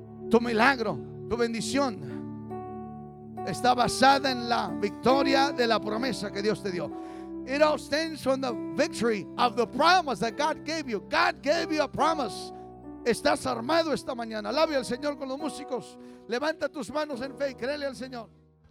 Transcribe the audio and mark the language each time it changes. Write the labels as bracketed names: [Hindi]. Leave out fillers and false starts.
[Spanish] Tu milagro, tu bendición está basada en la victoria de la promesa que Dios te dio. [English] It all stems from the victory of the promise that God gave you. God gave you a promise. [Spanish] Estás armado esta mañana. Alabe al Señor con los músicos. Levanta tus manos en fe y créele al Señor.